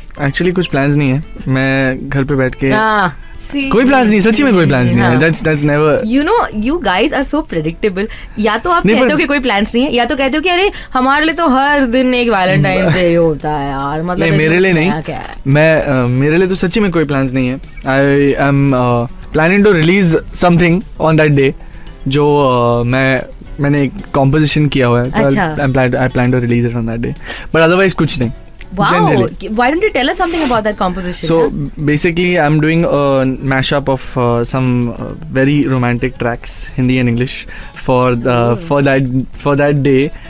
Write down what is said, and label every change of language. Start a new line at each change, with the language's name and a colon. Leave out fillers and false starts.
Hindi: Actually कुछ plans नहीं है, मैं घर पे बैठ के
English: See,
Hindi: कोई प्लान नहीं, सच्ची में कोई प्लान नहीं है।
English: that's never, you know, you guys are so predictable।
Hindi: या तो आप कहते हो कि कोई प्लान नहीं है, या तो कहते हो कि अरे हमारे लिए तो हर दिन एक वैलेंटाइन डे होता है यार, मतलब नहीं, मेरे लिए नहीं, मैं मेरे लिए तो सच्ची में कोई प्लान नहीं है।
English: I am planning to release something on that day
Hindi: जो मैंने एक कॉम्पोजिशन किया हुआ है,
English: I plan to release it on that day, but otherwise
Hindi: कुछ नहीं।
English: Wow, why don't you tell us something about that composition? So, basically, I'm doing a mashup of some very romantic tracks, Hindi and English, for that day.